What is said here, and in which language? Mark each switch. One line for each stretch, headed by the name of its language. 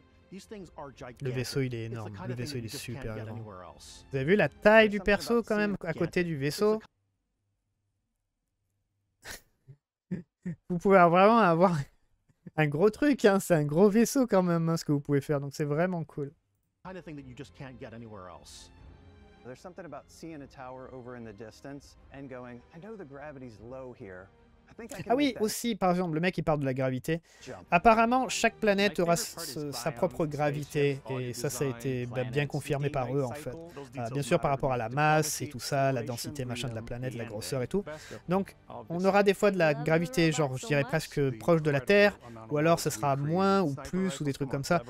French: Le vaisseau, il est énorme. Le vaisseau, il est super grand. Vous avez vu la taille du perso, quand même, à côté du vaisseau? Vous pouvez vraiment avoir un gros truc, hein. C'est un gros vaisseau, quand même, hein, ce que vous pouvez faire. Donc, c'est vraiment cool.
English: There's something about seeing a tower over in the distance and going, I know the gravity's low here.
French: Ah oui, aussi, par exemple, le mec il parle de la gravité. Apparemment, chaque planète aura sa propre gravité, et ça a été bien confirmé par eux en fait. Bien sûr, par rapport à la masse et tout ça, la densité machin de la planète, la grosseur et tout. Donc, on aura des fois de la gravité, genre je dirais presque proche de la Terre, ou alors ce sera moins ou plus, ou des trucs comme ça.